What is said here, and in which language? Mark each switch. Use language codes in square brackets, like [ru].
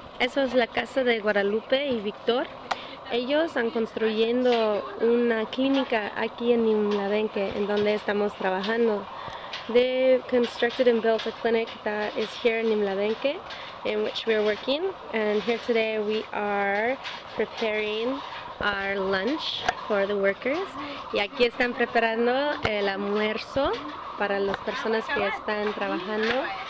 [es] Eso es la casa de Guadalupe y Victor. Ellos están construyendo una clínica aquí en Nimlabenque, en donde estamos trabajando. [en] They constructed and built a clinic that is here in Nimlabenque, in which we are working. And here today we are preparing our lunch for the workers. [es] Y aquí están preparando el almuerzo para las personas que están trabajando.